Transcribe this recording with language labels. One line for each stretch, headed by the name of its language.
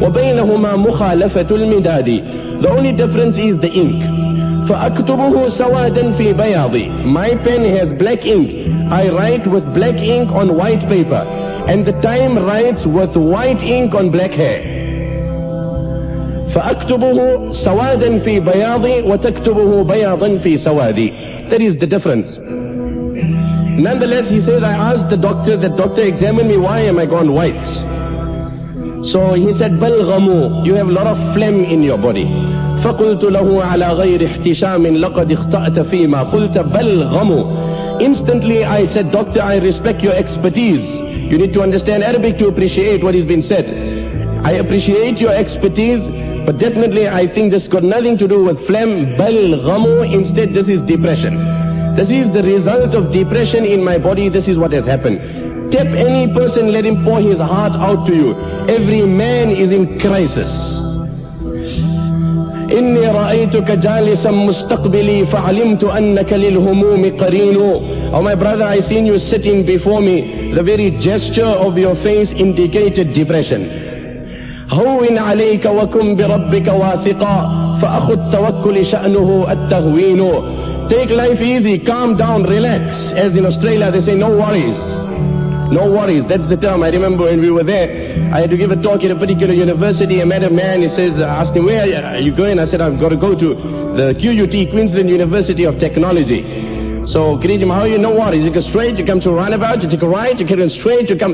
Arabic: وَبَيْنَهُمَا مُخَالَفَةُ الْمِدَادِ.
English: The only difference is the ink.
Arabic: فَأَكْتُبُهُ سَوَادًا فِي بَيَاضِ.
English: My pen has black ink. I write with black ink on white paper. And the time writes with white ink on black hair.
Arabic: فأكتبه سوادا في بياضي وتكتبه بياضا في سوادي.
English: That is the difference. Nonetheless, he says, I asked the doctor, that doctor examine me, why am I gone white? So he said, بلغمو, you have a lot of phlegm in your body.
Arabic: فقلت له على غير احتشام لقد اخطأت فيما قلت بلغمو.
English: Instantly I said, doctor, I respect your expertise. You need to understand Arabic to appreciate what has been said. I appreciate your expertise, but definitely I think this got nothing to do with phlegm, بلغمو. Instead, this is depression. This is the result of depression in my body. This is what has happened. Tap any person, let him pour his heart out to you. Every man is in crisis.
Arabic: إني رأيتك جالسا مستقبلي فعلمت أنك للهموم قرين.
English: Oh my brother, I seen you sitting before me. The very gesture of your face indicated depression.
Arabic: هون عليك وكن بربك واثقا فأخ التوكل شأنه التهوين.
English: Take life easy, calm down, relax. As in Australia they say, no worries. No worries, that's the term. I remember when we were there, I had to give a talk at a particular university. I met a man, he says, asked him, where are you going? I said, I've got to go to the QUT, Queensland University of Technology. So greet him, how are you? No worries. You go straight, you come to a roundabout, you take a right, you carry on straight, you come.